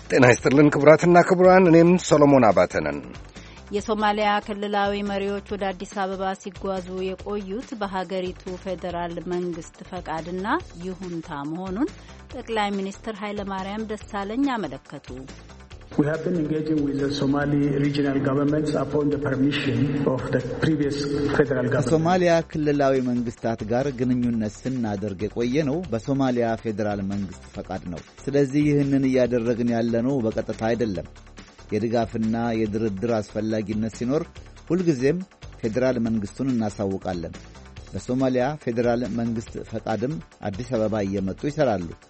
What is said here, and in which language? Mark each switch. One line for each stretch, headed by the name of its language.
Amharic: ጤና ይስጥልን ክቡራትና ክቡራን፣ እኔም ሰሎሞን አባተ ነን። የሶማሊያ ክልላዊ መሪዎች ወደ አዲስ አበባ ሲጓዙ የቆዩት በሀገሪቱ ፌዴራል መንግስት ፈቃድና ይሁንታ መሆኑን ጠቅላይ ሚኒስትር ኃይለማርያም ደሳለኝ አመለከቱ።
English: We have been engaging with the Somali regional governments upon the permission of the previous federal government.
Amharic: ከሶማሊያ ክልላዊ መንግስታት ጋር ግንኙነት ስናደርግ የቆየ ነው በሶማሊያ ፌዴራል መንግስት ፈቃድ ነው። ስለዚህ ይህንን እያደረግን ያለ ነው በቀጥታ አይደለም። የድጋፍና የድርድር አስፈላጊነት ሲኖር ሁልጊዜም ፌዴራል መንግስቱን እናሳውቃለን። በሶማሊያ ፌዴራል መንግስት ፈቃድም አዲስ አበባ እየመጡ ይሰራሉ።